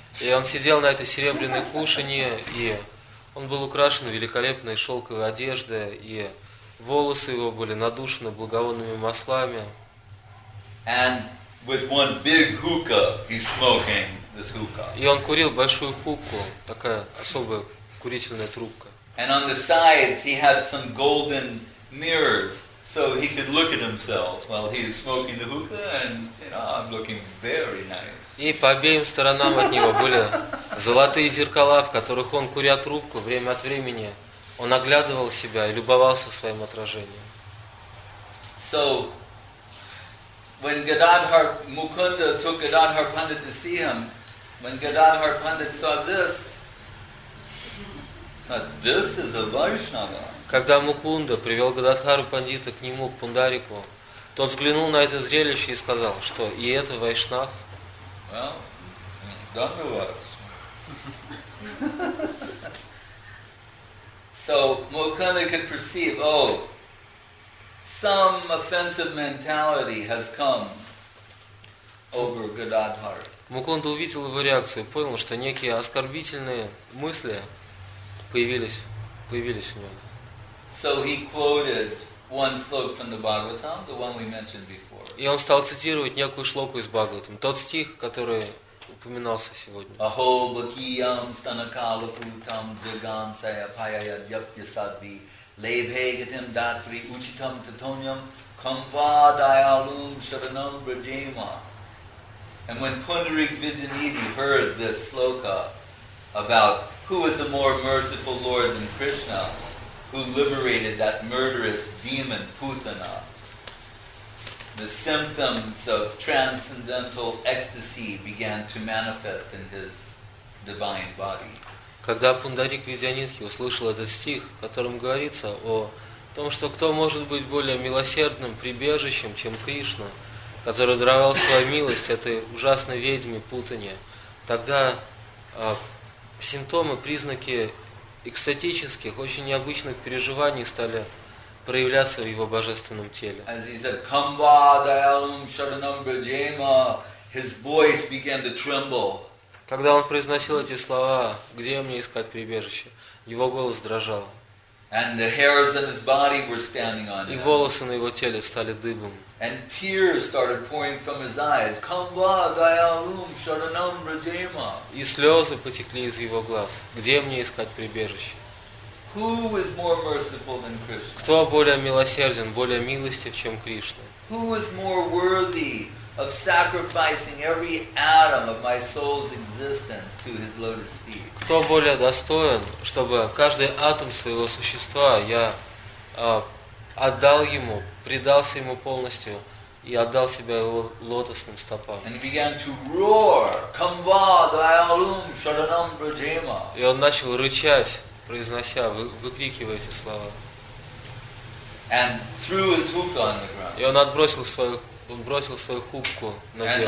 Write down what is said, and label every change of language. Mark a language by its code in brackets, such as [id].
[ru] И он сидел на этой серебряной кушанье, и он был украшен великолепной шелковой одеждой, и волосы его были надушены благовонными маслами. [en] And with one big hookah, he's smoking this hookah. [ru] И он курил большую хукку, такая особая курительная трубка. [en] And on the sides he had some golden mirrors, so he could look at himself while he is smoking the hookah and said, "Oh, I'm looking very nice." [ru] И по обеим сторонам от него были золотые зеркала, в которых он, куря трубку, время от времени он оглядывал себя и любовался своим отражением. [en] So, when Gadadhar Mukunda took Gadadhar Pandit to see him, when Gadadhar Pandit saw this, this is a Vaishnava. [ru] Когда Мукунда привел Гададхару Пандита к нему, к Пундарику, тот взглянул на это зрелище и сказал, что и это Вайшнав. [en] Well, don't know what. So Mukunda could perceive, oh, some offensive mentality has come over Gadadhara. [ru] Мукунда увидел его реакцию, понял, что некие оскорбительные мысли появились в нем. [en] So he quoted one slok from the Bhagavatam, the one we mentioned before. [ru] И он стал цитировать некую шлоку из Бхагаватам, тот стих, который упоминался сегодня. [sa] Aho bhakiyam stanakala putam jagam sayapayayad yapyasadvi lebhegatim datri uchitam tatonyam kamva dayalum sharanam brajema. [en] And when Pundarik Vidyanidhi heard this sloka about who is a more merciful Lord than Krishna, who liberated that murderous demon Putana, the symptoms of transcendental ecstasy began to manifest in his divine body. [ru] Когда Пундарик Видьянитхи услышал этот стих, в котором говорится о том, что кто может быть более милосердным прибежищем, чем Кришна, который даровал свою милость этой ужасной ведьме Путане, тогда симптомы, признаки экстатических, очень необычных переживаний стали проявляться в его божественном теле. [en] As he said, [sa] "Kamba dayalum sharanam brajema," [en] his voice began to tremble. [ru] Когда он произносил эти слова, где мне искать прибежище, его голос дрожал. [en] And the hairs on his body were standing on him. [ru] И волосы на его теле стали дыбом. [en] And tears started pouring from his eyes. [sa] "Kamba dayalum sharanam brajema." [ru] И слезы потекли из его глаз. Где мне искать прибежище? [en] Who is more merciful than Krishna? [ru] Кто более милосерден, более милостив, чем Кришна? [en] Who is more worthy of sacrificing every atom of my soul's existence to his lotus feet? [ru] Кто более достоин, чтобы каждый атом своего существа я отдал ему, предался ему полностью и отдал себя его лотосным стопам? [en] And he began to roar, [sa] "Kamba dayalum sharanam brajema." [ru] И он начал рычать, произнося, выкрикивая эти слова. [en] And threw his hookah on the ground. [ru] И он отбросил свою, он бросил свою хукку на землю.